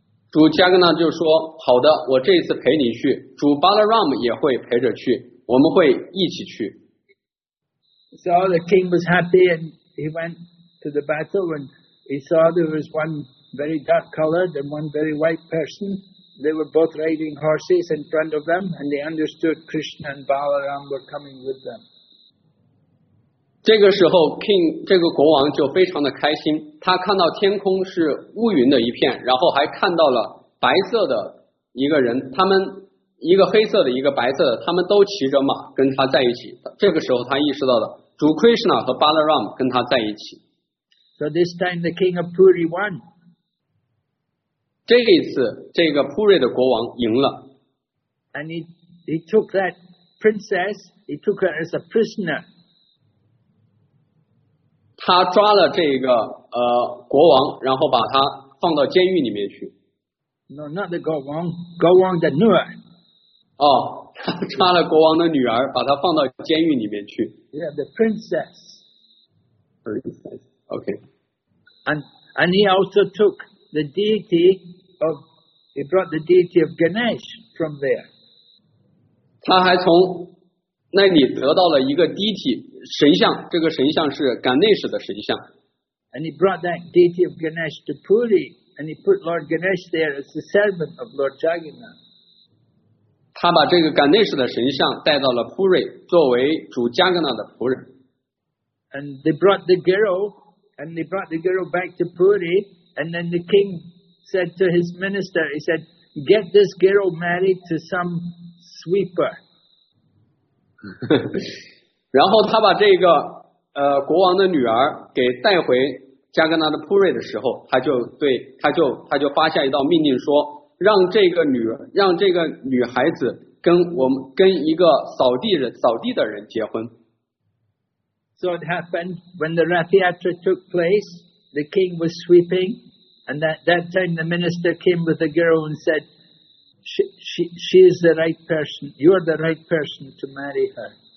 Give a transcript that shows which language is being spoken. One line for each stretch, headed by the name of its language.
Chinese: 主加格纳就说，好的，我这一次陪你去，主巴拉拉姆也会陪着去，我们会一起去。
English: So the king was happy and he went to the battle and he saw there was one very dark colored and one very white person. They were both riding horses in front of them and they understood Krishna and Balaram were coming with them.
Chinese: 这个时候 King 这个国王就非常的开心，他看到天空是乌云的一片，然后还看到了白色的一个人，他们一个黑色的一个白色的，他们都骑着马跟他在一起。这个时候他意识到了主 Krishna 和 Balaram 跟他在一起。
English: So this time the king of Puri won.
Chinese: 这一次这个 Puri 的国王赢了。
English: And he took that princess, he took her as a prisoner.
Chinese: 他抓了这个国王，然后把他放到监狱里面去。
English: No, not the Gowang the
Chinese: 女儿。哦，他抓了国王的女儿，把她放到监狱里面去。
English: Yeah, the princess. Princess, okay. And he also took the deity of, he brought the deity of Ganesh from there.
Chinese: 他还从那里得到了一个deity。神像，这个神像是 Ganesh 的神像。
English: And he brought that deity of Ganesh to Puri, and he put Lord Ganesh there as the servant of Lord Jagannath.
Chinese: 他把这个 Ganesh 的神像带到了 Puri, 作为主加格纳的仆人。
English: And they brought the girl, and they brought the girl back to Puri, and then the king said to his minister, he said, get this girl married to some sweeper.
Chinese: 然后他把这个国王的女儿给带回加格纳的普瑞的时候，他就发下一道命令说，让这个女孩子跟一个扫地的人结婚。
English: So it happened when the Ratha Yatra took place, the king was sweeping, and that time the minister came with the girl and said, she is the right person. You are the right person to marry her.